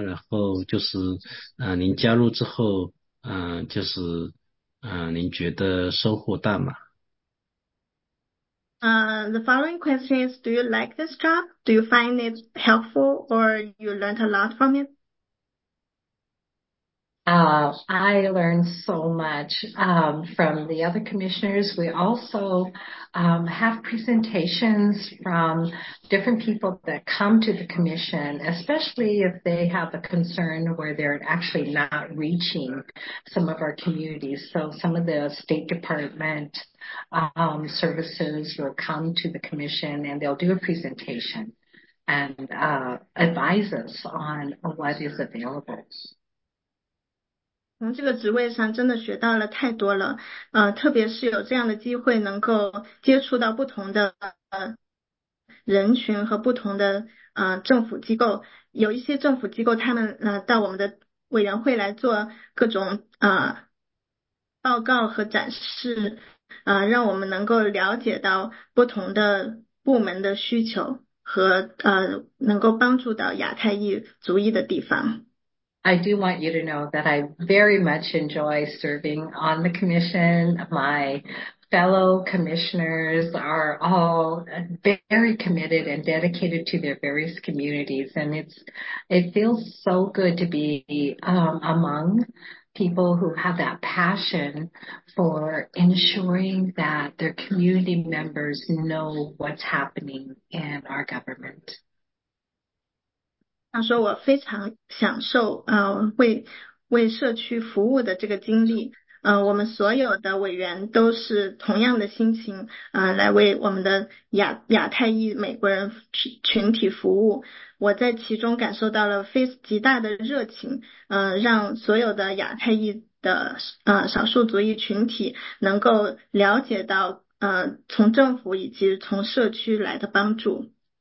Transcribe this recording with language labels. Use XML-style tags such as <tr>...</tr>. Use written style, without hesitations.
<zh>然后就是您加入之后就是您觉得收获大吗？</zh> <en>The following question is, do you like this job? Do you find it helpful or you learned a lot from it? I learned so much from the other commissioners. We also have presentations from different people that come to the commission, especially if they have a concern where they're actually not reaching some of our communities. So some of the State Department services will come to the commission and they'll do a presentation and advise us on what is available.</en> <zh>从这个职位上真的学到了太多了，特别是有这样的机会能够接触到不同的人群和不同的政府机构，有一些政府机构他们到我们的委员会来做各种报告和展示，让我们能够了解到不同的部门的需求和能够帮助到亚太裔族裔的地方。</zh> <en>I do want you to know that I very much enjoy serving on the commission. My fellow commissioners are all very committed and dedicated to their various communities. And it feels so good to be among people who have that passion for ensuring that their community members know what's happening in our government.</en> <zh>他说我非常享受为社区服务的这个经历。我们所有的委员都是同样的心情来为我们的亚太裔美国人群体服务。我在其中感受到了非极大的热情让所有的亚太裔的少数族裔群体能够了解到从政府以及从社区来的帮助。</zh>